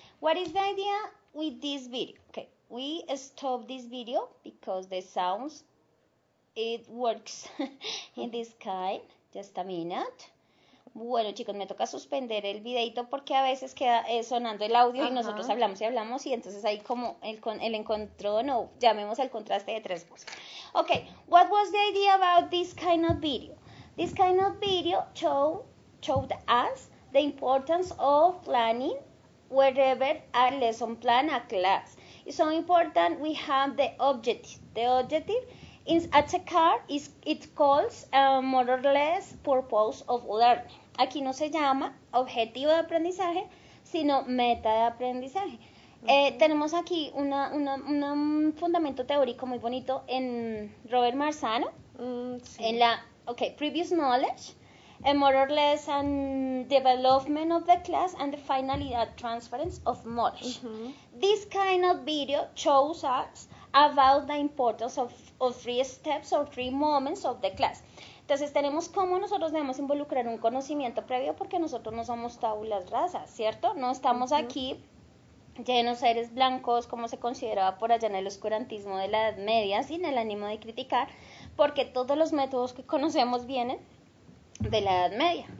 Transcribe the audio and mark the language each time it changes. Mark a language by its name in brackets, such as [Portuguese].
[English] What is the idea with this video? Okay, we stopped this video because the sounds, it works in this kind. Just a minute. [Spanish] Bueno, chicos, me toca suspender el videito porque a veces queda sonando el audio y nosotros hablamos y hablamos y entonces ahí como el encontrón o llamemos al contraste de tres voces. [English] Okay, what was the idea about this kind of video? This kind of video showed us the importance of planning wherever a lesson plan a class. It's so important we have the objective. The objective in Cecar is it calls more or less purpose of learning. [Spanish] Aquí no se llama objetivo de aprendizaje, sino meta de aprendizaje. [English] Okay. [Spanish] Tenemos aquí un fundamento teórico muy bonito en Robert Marzano, en la [English] previous knowledge, and more or less and development of the class and the final transference of knowledge. Mm-hmm. This kind of video shows us about the importance of three steps or three moments of the class. [Spanish] Entonces, tenemos cómo nosotros debemos involucrar un conocimiento previo porque nosotros no somos tabulas rasas, ¿cierto? No estamos aquí llenos seres blancos como se consideraba por allá en el oscurantismo de la Edad Media sin el ánimo de criticar porque todos los métodos que conocemos vienen de la Edad Media.